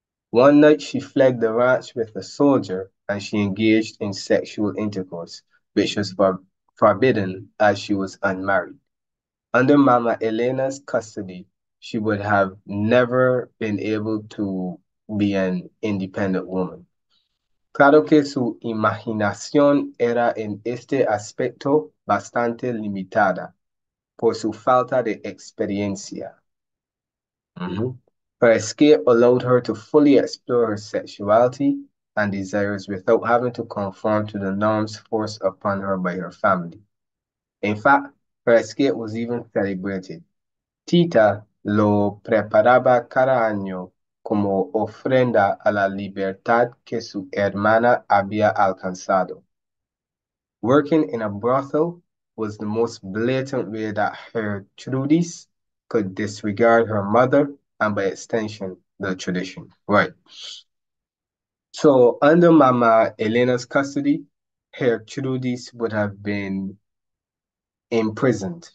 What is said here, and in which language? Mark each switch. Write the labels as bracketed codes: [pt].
[en] One night, she fled the ranch with a soldier and she engaged in sexual intercourse, which was forbidden as she was unmarried. Under Mama Elena's custody, she would have never been able to be an independent woman. [es] Claro que su imaginación era en este aspecto bastante limitada por su falta de experiencia. [en] Her escape allowed her to fully explore her sexuality and desires without having to conform to the norms forced upon her by her family. In fact, her escape was even celebrated. [es] Tita lo preparaba cada año como ofrenda a la libertad que su hermana había alcanzado. [en] Working in a brothel was the most blatant way that Gertrudis could disregard her mother and, by extension, the tradition. Right. So, under Mama Elena's custody, Gertrudis would have been imprisoned.